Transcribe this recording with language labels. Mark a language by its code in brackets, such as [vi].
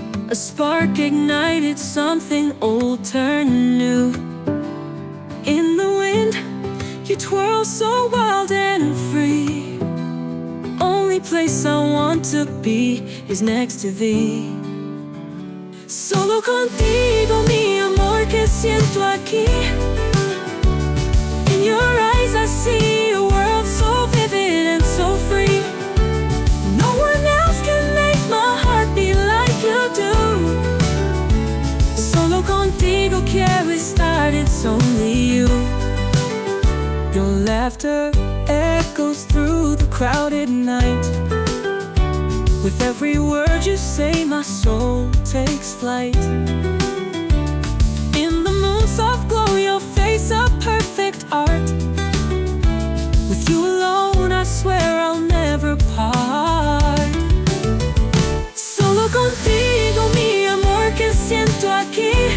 [en] A spark ignited something old turned new. In the wind, you twirl so wild and free. Only place I want to be is next to thee. [es] Solo contigo, mi amor, que siento aquí. [en] In your eyes I see a world so vivid and so free. No one else can make my heart beat like you do. [es] Solo contigo quiero estar, [en] it's only you. Your laughter echoes through the crowded night. With every word you say, my soul takes flight. In the moon's soft glow, your face a perfect art. With you alone, I swear I'll never part. [es] Solo contigo, mi amor, que siento aquí.